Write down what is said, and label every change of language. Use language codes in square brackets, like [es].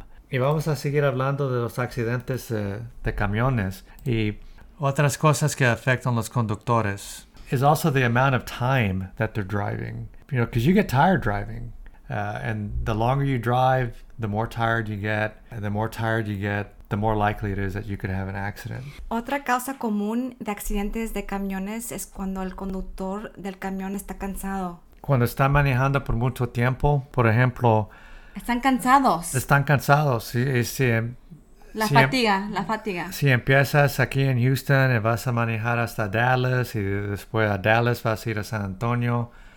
[es] Y vamos a seguir hablando de los accidentes de camiones y otras cosas que afectan a los conductores. [en] Es also the amount of time that they're driving. Because you get tired driving, and the longer you drive, the more tired you get, and the more tired you get, the more likely it is that you could have an accident. [es] Otra causa común de accidentes de camiones es cuando el conductor del camión está cansado. Cuando están manejando por mucho tiempo, por ejemplo, Están cansados. están cansados. Y La fatiga, la fatiga. si empiezas aquí en Houston y vas a manejar hasta Dallas, y después a Dallas vas a ir a San Antonio.